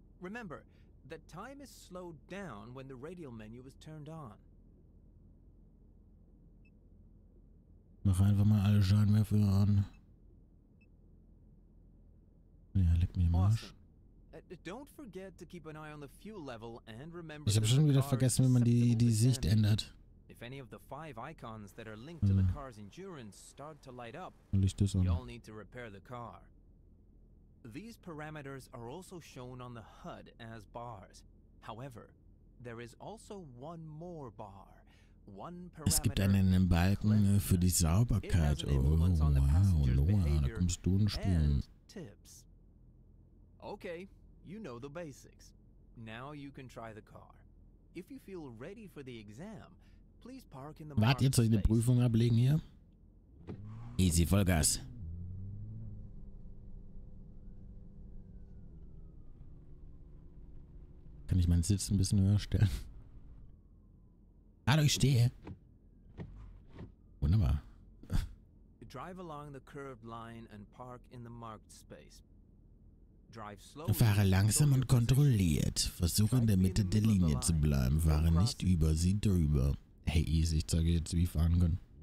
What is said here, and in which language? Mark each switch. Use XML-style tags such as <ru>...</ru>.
<en>Remember, the time is slowed down when the radial menu is turned on.</en> <de>Mach einfach mal alle Scheinwerfer an. Ja, leck mich im Arsch.</de> <en>Don't forget to keep an eye on the fuel level and remember.</en> <de>Ich habe schon wieder vergessen, wie man die Sicht ändert.</de> <en>If any of the five icons that are linked to the car's endurance start to light up, you'll need to repair the car. These parameters are also shown on the HUD as bars. However, there is also one more bar. One parameter.</en> <de>Es gibt einen Balken für die Sauberkeit. Noah, da kommst du ins Spiel.</de> <en>Tips. Okay, you know the basics. Now you can try the car. If you feel ready for the exam, please park in the market.</en> <de>Wart, jetzt soll ich eine Prüfung ablegen hier? Easy, Vollgas. Kann ich meinen Sitz ein bisschen höher stellen? Hallo, ich stehe. Wunderbar.</de> <en>Drive along the curved line and park in the marked space.</en> <de>Fahre langsam und kontrolliert. Versuche in der Mitte der Linie zu bleiben. Fahre nicht über sie drüber. Hey, easy, ich zeige jetzt, wie ich fahren kann.</de>